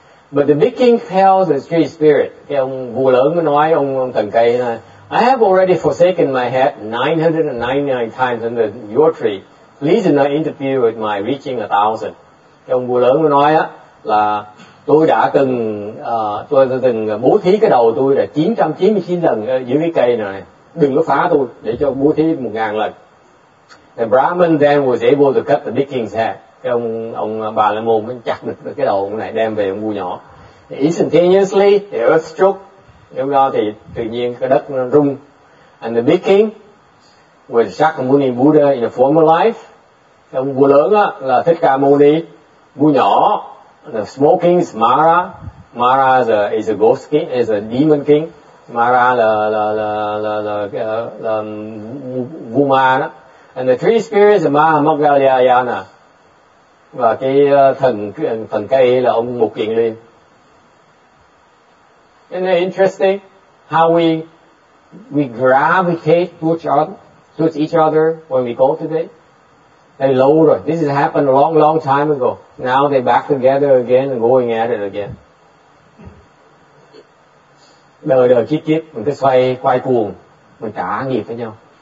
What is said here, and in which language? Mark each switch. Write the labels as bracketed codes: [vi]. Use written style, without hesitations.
[en] But the big king tells the tree spirit, [vi] cái ông vua lớn mới nói ông thần cây là, [en] I have already forsaken my head 999 times under your tree. Please do not interfere with my reaching 1,000. [vi] Cái ông vua lớn mới nói á, là tôi đã từng bố thí cái đầu tôi là 999 lần dưới cái cây này. Đừng có phá tôi để cho bố thí 1,000 lần. [en] The Brahmin then was able to cut the big king's head. [vi] Cái ông Bà La Môn mới chặt được cái đầu ông này đem về ông vua nhỏ. [en] Instantaneously, the earth shook. [vi] Lúc đó thì tự nhiên cái đất nó rung. [en] And the big king was Shakyamuni Buddha in a former life. [vi] Cái ông vua lớn á, là Thích Ca Mâu Ni. Vua nhỏ, [en] the small king is Mara. Mara is a ghost king, is a demon king. [vi] Mara là vua ma đó. [en] And the three spirits are Mahamoggallayana. [vi] Và cái thần cây là ông Mục Kiền Liên. [en] Isn't it interesting how we gravitate towards each other when we go today? They lower. This has happened a long, long time ago. Now they're back together again and going at it again. [vi] Đời đời kiếp kiếp, mình cứ xoay quay cuồng, mình trả nghiệp với nhau.